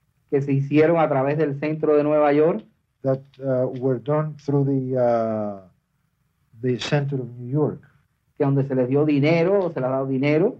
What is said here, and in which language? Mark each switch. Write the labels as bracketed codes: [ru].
[es] Que se hicieron a través del centro de Nueva York. [en] That were done through the center of New York. [es] Que donde se les dio dinero, o se les ha dado dinero.